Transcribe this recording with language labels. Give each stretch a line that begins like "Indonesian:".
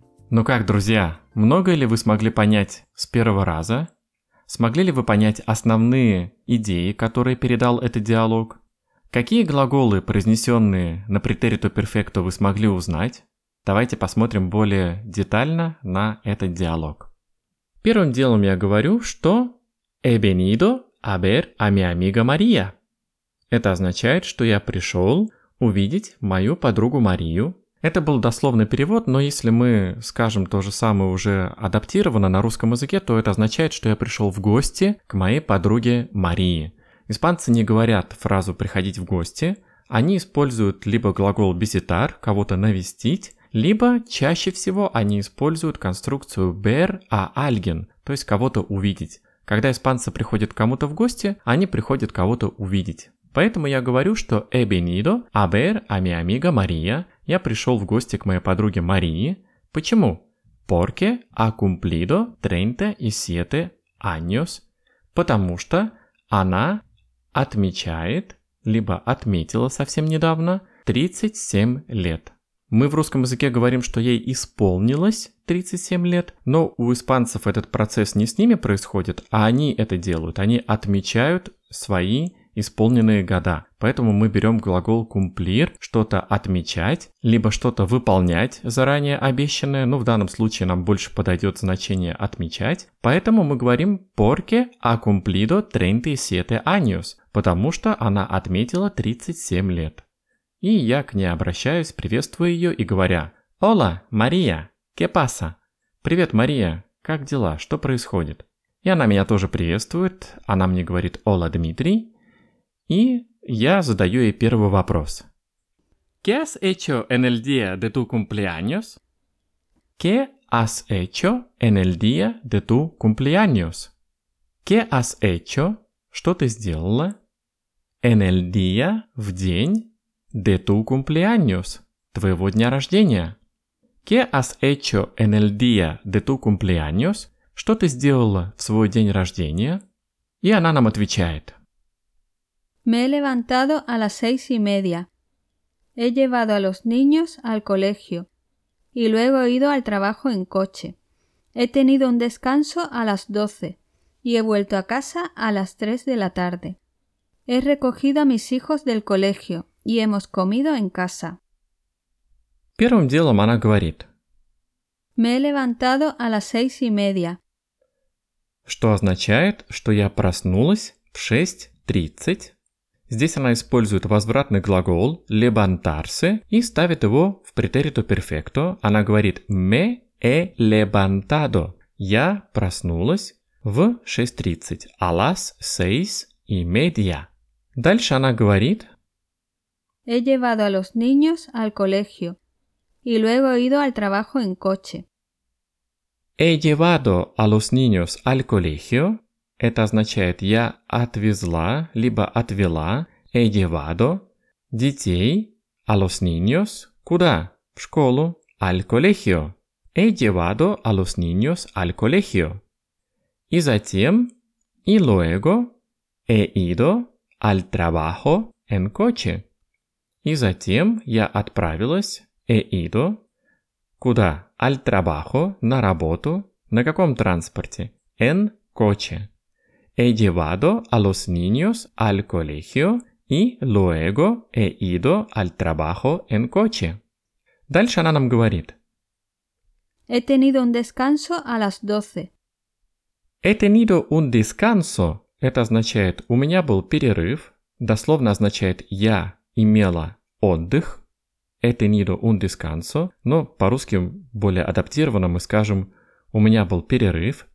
Russian: Ну как, друзья, многое ли вы смогли понять с первого раза? Смогли ли вы понять основные идеи, которые передал этот диалог? Какие глаголы, произнесенные на претерито перфекто, вы смогли узнать? Давайте посмотрим более детально на этот диалог. Первым делом я говорю, что
Spanish: «He venido a ver a mi amiga María».
Russian: Это означает, что я пришел увидеть мою подругу Марию. Это был дословный перевод, но если мы скажем то же самое уже адаптированно на русском языке, то это означает, что я пришел в гости к моей подруге Марии. Испанцы не говорят фразу «приходить в гости». Они используют либо глагол «visitar», «кого-то навестить», либо чаще всего они используют конструкцию
Spanish: ver a alguien,
Russian: то есть кого-то увидеть. Когда испанцы приходят к кому-то в гости, они приходят кого-то увидеть. Поэтому я говорю, что
Spanish: he venido a ver a mi amiga María.
Russian: Я пришел в гости к моей подруге Марии. Почему?
Spanish: Porque ha cumplido 37 años.
Russian: Потому что она отмечает, либо отметила совсем недавно, 37 лет. Мы в русском языке говорим, что ей исполнилось 37 лет, но у испанцев этот процесс не с ними происходит, а они это делают. Они отмечают свои исполненные года. Поэтому мы берем глагол cumplir, что-то отмечать, либо что-то выполнять заранее обещанное. Ну, в данном случае нам больше подойдет значение отмечать. Поэтому мы говорим
Spanish: porque ha cumplido 37 años,
Russian: потому что она отметила 37 лет. И я к ней обращаюсь, приветствую ее и говоря
Spanish: «Hola, María, ¿qué pasa?»
Russian: «Привет, Мария, как дела, что происходит?» И она меня тоже приветствует, она мне говорит «Hola, Дмитрий». И я задаю ей первый вопрос.
Spanish: «¿Qué has hecho en el día de tu cumpleaños?» «¿Qué has hecho en el día de tu cumpleaños?» «¿Qué has hecho?»
Russian: «Что ты сделала?»
Spanish: «En el día»
Russian: «В день»
Spanish: De tu cumpleaños,
Russian: твоего дня рождения.
Spanish: ¿Qué has hecho en el día de tu cumpleaños?
Russian: Что ты сделала в свой день рождения? И она нам отвечает.
Spanish: Me he levantado a las 6:30. He llevado a los niños al colegio. Y luego he ido al trabajo en coche. He tenido un descanso a las 12. Y he vuelto a casa a las 3 de la tarde. He recogido a mis hijos del colegio y hemos comido en casa.
Russian: Первым делом она говорит.
Spanish: Me he levantado a las 6:30.
Russian: Что означает, что я проснулась в 6:30. Здесь она использует возвратный глагол «levantarse» и ставит его в претерито перфекто. Она говорит
Spanish: «me he levantado»
Russian: – «я проснулась в 6:30»,
Spanish: «a las 6:30».
Russian: Дальше она говорит
Spanish: «he llevado a los niños al colegio y luego he ido al trabajo en coche». «He llevado a los niños al colegio» –
Russian: это означает «я отвезла» либо «отвела».
Spanish: «He llevado» –
Russian: «детей»,
Spanish: «a los niños» –
Russian: «куда?» – «в школу»,
Spanish: «al colegio». «He llevado a los niños al colegio».
Russian: И затем
Spanish: «y luego» – «he ido al trabajo en coche».
Russian: И затем «я отправилась» –
Spanish: «he ido»
Russian: – «куда?» –
Spanish: «al trabajo»
Russian: – «на работу» – «на каком транспорте?»
Spanish: – «en coche». «He llevado a los niños al colegio» И luego he ido al trabajo en coche.
Russian: Дальше она нам говорит.
Spanish: He tenido un descanso a las 12. He tenido un descanso.
Russian: Это означает «у меня был перерыв». Дословно означает «я имела отдых».
Spanish: He tenido un descanso.
Russian: Но по-русски более адаптированно мы скажем «у меня был перерыв».